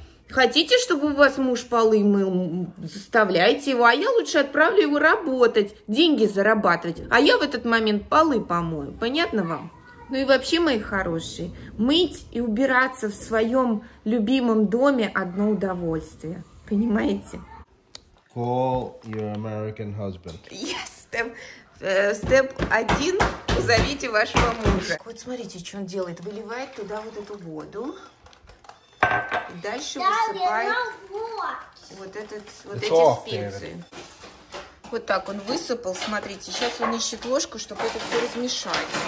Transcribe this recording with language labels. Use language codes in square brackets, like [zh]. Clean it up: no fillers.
[ru] Хотите, чтобы у вас муж полы мыл, заставляйте его, а я лучше отправлю его работать, деньги зарабатывать. А я в этот момент полы помою, понятно вам? Ну и вообще, мои хорошие, мыть и убираться в своем любимом доме одно удовольствие, понимаете? [en] Call your American husband. [ru] Yes, step 1, позовите вашего мужа. Вот смотрите, что он делает, выливает туда вот эту воду. Дальше высыпает вот этот, вот эти специи. Вот так он высыпал, смотрите. Сейчас он ищет ложку, чтобы это все размешать.